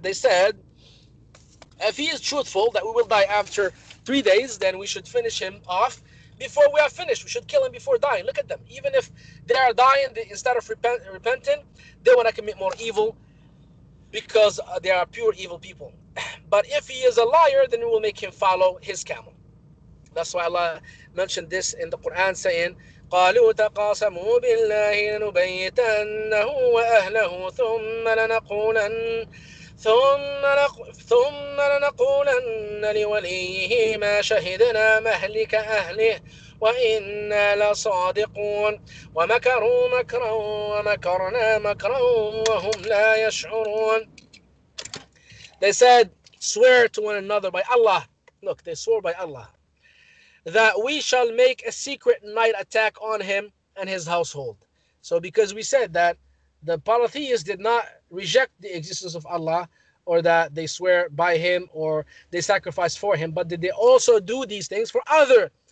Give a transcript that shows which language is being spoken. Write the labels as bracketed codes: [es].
[en] They said, "If he is truthful that we will die after 3 days, then we should finish him off before we are finished. We should kill him before dying." Look at them. Even if they are dying, they, instead of repenting, they want to commit more evil, because they are pure evil people. But if he is a liar, then we will make him follow his camel. That's why Allah mentioned this in the Quran, saying, [ar] قَالُوا تَقَاسَمُوا بِاللَّهِ لَنُبَيِّتَنَّهُ وَأَهْلَهُ ثُمَّ لَنَقُولَنَّ ثُمَّ لَنَقُولَنَّ لِوَلِيِّهِ مَا شَهِدْنَا مَهْلِكَ أَهْلِهِ وَإِنَّا لَصَادِقُونَ وَمَكَرُوا مَكْرًا وَمَكَرْنَا مَكْرًا وَهُمْ لَا يَشْعُرُونَ. [en] They said, "Swear to one another by Allah." Look, they swore by Allah that we shall make a secret night attack on him and his household. So because we said that the polytheists did not reject the existence of Allah, or that they swear by him, or they sacrifice for him, but did they also do these things for other